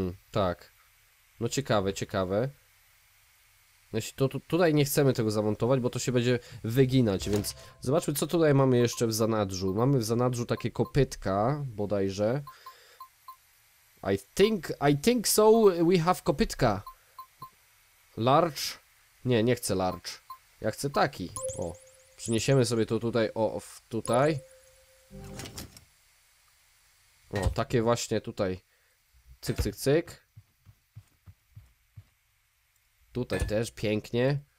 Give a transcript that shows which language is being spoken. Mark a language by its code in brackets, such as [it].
[pl] tak. No ciekawe. Tutaj nie chcemy tego zamontować, bo to się będzie wyginać, więc zobaczmy, co tutaj mamy jeszcze w zanadrzu. Mamy w zanadrzu takie kopytka bodajże. [en] I think so we have kopytka. [pl] Large? Nie, nie chcę large. Ja chcę taki. O, przyniesiemy sobie to tutaj, o, tutaj. O, takie właśnie tutaj. Cyk, cyk, cyk. Tutaj też, pięknie.